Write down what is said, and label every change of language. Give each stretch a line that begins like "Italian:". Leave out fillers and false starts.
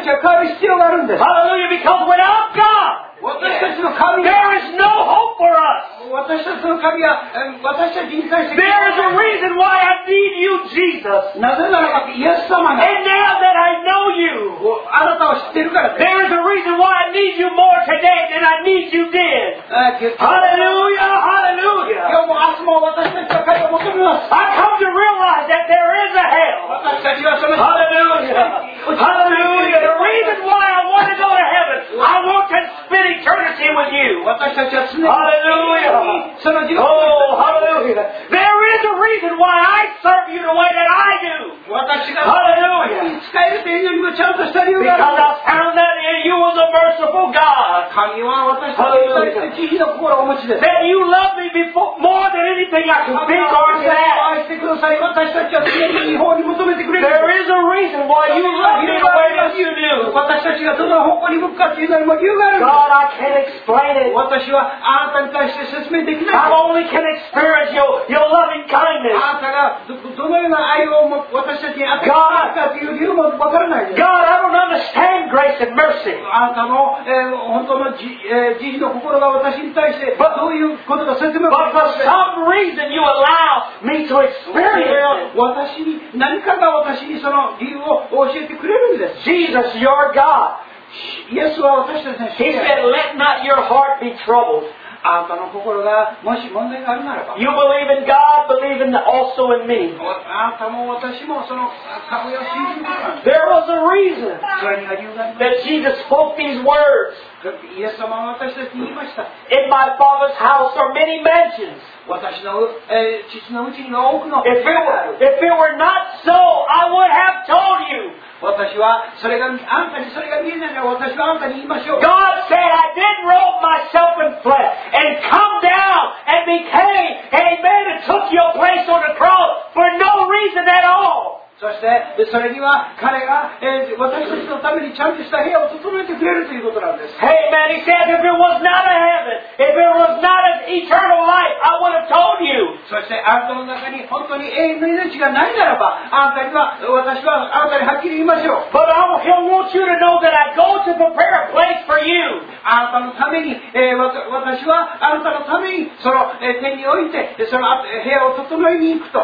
Japanese: 私たちは変わる必要があるんです。
English: Hallelujah, because without God.
Japanese: 私たちの神
English: There is no hope for us.
Japanese: 私たちの神は私たちに対して
English: There is a reason why I need you, Jesus.
Japanese: なぜならば、イエス様が
English: And now that I know you,
Japanese: あなたを知ってるから
English: There is a reason why I need you more today than I need you then. Hallelujah, hallelujah.
Japanese: 今日も明日も私たちの神を求めます。
English: I come to realize that there is a hell.
Japanese: 私たちはその
English: Hallelujah, hallelujah. The reason why I want to go to heaven, I want to spend. Eternity with you. Hallelujah. Oh, hallelujah. There is a reason why I serve you the way that I do. Hallelujah. Because I found that in you was a merciful God. Hallelujah. That you love me before, more than anything I can think or say. There is a reason why you love me the way that you do. God, I can't explain it.
Japanese: 私はあなたに対して説明できない。
English: I only can experience your loving kindness.
Japanese: あなたがどのような愛を私たちに与えるかという理由もわからないです。
English: God, I don't understand grace and mercy.
Japanese: あなたの本当の慈悲の心が私に対してどういうことが説明できない。
English: But for some reason you allow me to experience.
Japanese: 私に何かが私にその理由を教えてくれるんです。
English: Jesus, your God.
Japanese: イエスは私たちの主です。
English: He said, "Let not your heart be troubled."
Japanese: あなたの心がもし問題があるならば、
English: You believe in God, believe in also in me.
Japanese: あなたも私もその神を信じる。
English: There was a reason that Jesus spoke these words.
Japanese: イエス様は私たちに言いました。
English: In my Father's house are many mansions.
Japanese: 私の父のうちには多くの
English: If it were not so, I would have told you.
Japanese: 私はそれがあなたにそれが見えないなら私はあなたに言いましょう。
English: God said, I did robe myself in flesh and come down and became a man and took your place on the cross for no reason at all.
Japanese: そしてそれには彼が私たちのためにちゃんとした部屋を整えてくれた。
English: Hey man, he said, if it was not a heaven, if it was not an eternal life, I would have told you. But I will want you to know that I go to prepare a place for you.